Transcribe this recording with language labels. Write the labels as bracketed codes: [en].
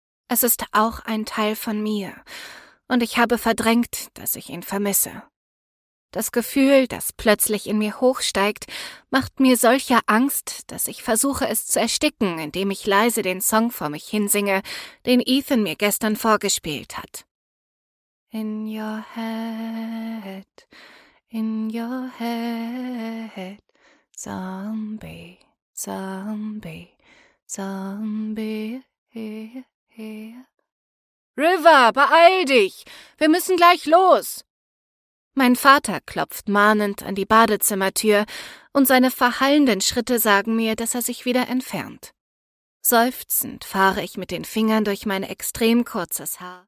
[de] Es ist auch ein Teil von mir und ich habe verdrängt, dass ich ihn vermisse. Das Gefühl, das plötzlich in mir hochsteigt, macht mir solche Angst, dass ich versuche, es zu ersticken, indem ich leise den Song vor mich hinsinge, den Ethan mir gestern vorgespielt hat. [en] In your head, in your head, zombie, zombie, zombie, here, here. [de] River, beeil dich! Wir müssen gleich los! Mein Vater klopft mahnend an die Badezimmertür und seine verhallenden Schritte sagen mir, dass er sich wieder entfernt. Seufzend fahre ich mit den Fingern durch mein extrem kurzes Haar.